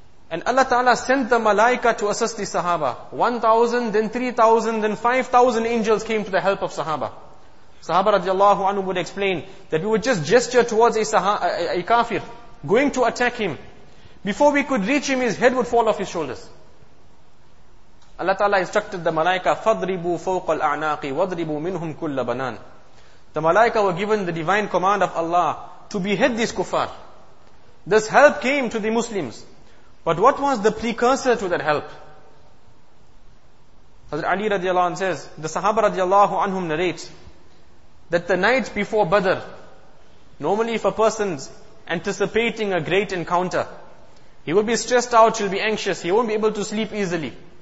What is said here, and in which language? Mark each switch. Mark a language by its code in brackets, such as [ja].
[en] And Allah Ta'ala sent the malaika to assist the Sahaba. 1,000, then 3,000, then 5,000 angels came to the help of Sahaba. Sahaba radiallahu anhu would explain that we would just gesture towards a kafir, going to attack him. Before we could reach him, his head would fall off his shoulders. Allah Ta'ala instructed the malaika, [ar] فَضْرِبُوا فَوْقَ الْأَعْنَاقِ وَضْرِبُوا مِنْهُمْ كُلَّ بَنَانِ. [en] The malaika were given the divine command of Allah to behead these kuffar. This help came to the Muslims. But what was the precursor to that help? Hazrat Ali radiallahu anhu says, the Sahaba radiallahu anhum narrates that the night before Badr, normally if a person's anticipating a great encounter, he will be stressed out, he'll be anxious, he won't be able to sleep easily.